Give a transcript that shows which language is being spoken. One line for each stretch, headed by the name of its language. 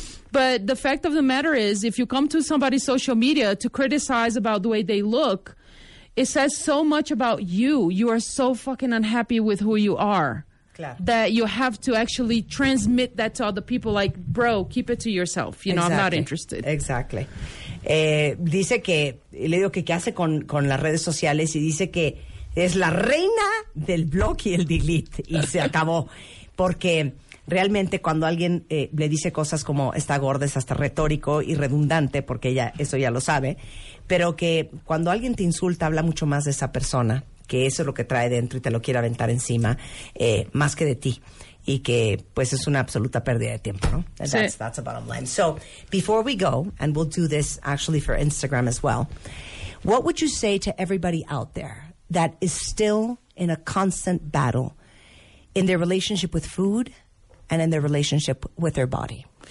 English: But the fact of the matter is, if you come to somebody's social media to criticize about the way they look, it says so much about you. You are so fucking unhappy with who you are.
Spanish: Claro.
English: That you have to actually transmit that to other people. Like, bro, keep it to yourself. You know, exactly. I'm not interested. Exactly.
Spanish: Dice que, le digo que qué hace con las redes sociales, y dice que es la reina del block y el delete. Y se acabó. Porque realmente cuando alguien le dice cosas como está gorda, es hasta retórico y redundante, porque ella eso ya lo sabe, pero que cuando alguien te insulta habla mucho más de esa persona, que eso es lo que trae dentro y te lo quiere aventar encima, más que de ti, y que pues es una absoluta pérdida de tiempo, ¿no? Sí.
English: That's the bottom line. So, before we go, and we'll do this actually for Instagram as well, what would you say to everybody out there that is still in a constant battle in their relationship with food and in their relationship with their body?